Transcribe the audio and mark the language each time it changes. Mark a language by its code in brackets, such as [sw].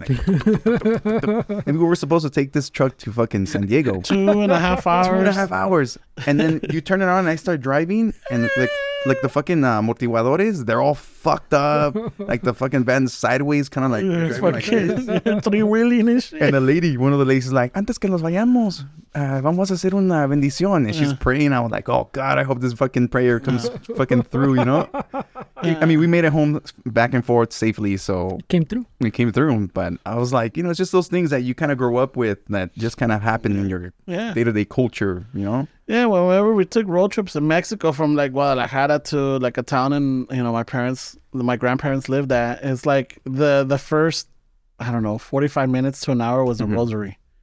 [en] Like, and we were supposed to take this truck to fucking San Diego. 2.5 hours. 2.5 hours. And then you turn it on and I start driving and like the fucking amortiguadores, they're all fucked up. Like the fucking van's sideways, kind of like, it's fucking like three-wheeling and shit. And one of the ladies is like, [es] antes que nos vayamos, vamos a hacer una bendición. [en] And she's praying. I was like, oh God, I hope this fucking prayer comes fucking through, you know? I mean, we made it home back and forth safely, so. It came through, but I was like, you know, it's just those things that you kind of grow up with that just kind of happen in your day-to-day culture, you know? Yeah, well, whenever we took road trips in Mexico from like Guadalajara to like a town in, you know, my grandparents lived at, it's like the first, I don't know, 45 minutes to an hour was a rosary.